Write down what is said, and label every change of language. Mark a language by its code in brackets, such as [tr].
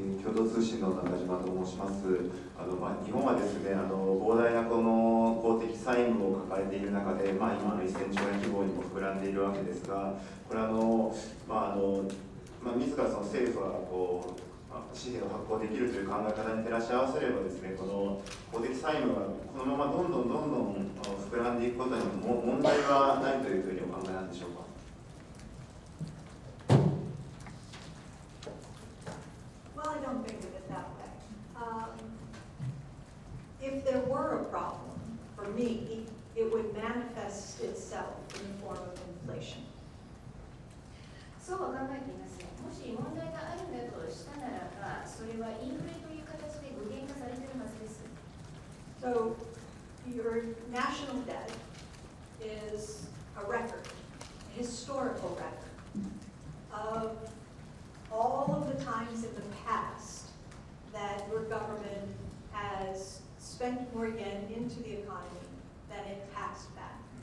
[ja] 通信の中島と申します。日本はですね、膨大なこの公的債務を抱えている中で、今の1000兆円規模にも膨らんでいるわけですが、これは自らその政府はこう紙幣を発行できるという考え方に照らし合わせればですね、この公的債務がこのままどんどん膨らんでいくことにも問題はないというふうにお考えなんでしょうか。 [en] Well, I don't think of it that way. If there were a problem for me, it would manifest itself in the form of inflation. [ja] そう考えていますね。もし問題があるんだとしたならば、それはインフレという形で具現化されているはずです。 [en] So, your national debt is a record, a historical record of all of the times in the past that your government has spent more yen into the economy than it taxed back.